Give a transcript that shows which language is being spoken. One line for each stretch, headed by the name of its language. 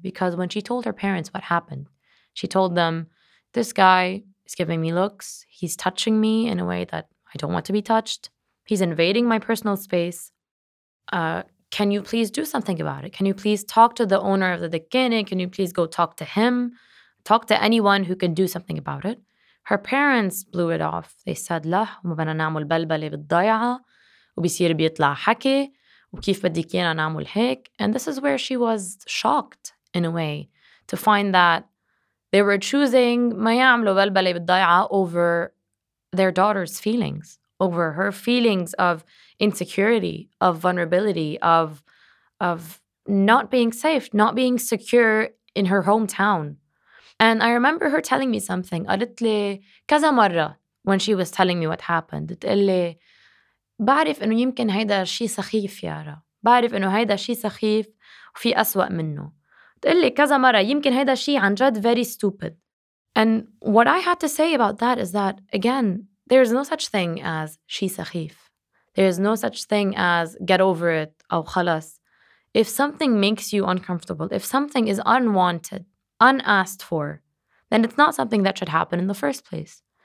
English: Because when she told her parents what happened, she told them, this guy is giving me looks. He's touching me in a way that I don't want to be touched. He's invading my personal space. Can you please do something about it? Can you please talk to the owner of the dekkene? Can you please go talk to him? Talk to anyone who can do something about it. Her parents blew it off. They said,
Arabic: لح ومبنا نعمل بلبلة بالضيعة وبيصير بيطلع حكي وكيف بديك ينا نعمل هيك.
English: And this is where she was shocked, in a way, to find that they were choosing
Arabic: ما يعملوا بلبلة بالضيعة
English: over their daughter's feelings, over her feelings of insecurity, of vulnerability, of not being safe, not being secure in her hometown. And I remember her telling me something.
Arabic: قالت لي كذا مرة
English: when she was telling me what happened.
Arabic: تقول لي بعرف إنه يمكن هيدا شيء سخيف يا را. بعرف إنه هيدا شيء سخيف وفي أسوأ منه. تقول لي كذا مرة يمكن هيدا شيء عن جد
English: very stupid. And what I had to say about that is that, again, there is no such thing as
Arabic: شيء سخيف.
English: There is no such thing as get over it
Arabic: أو خلاص.
English: If something makes you uncomfortable, if something is unwanted, unasked for, then it's not something that should happen in the first place.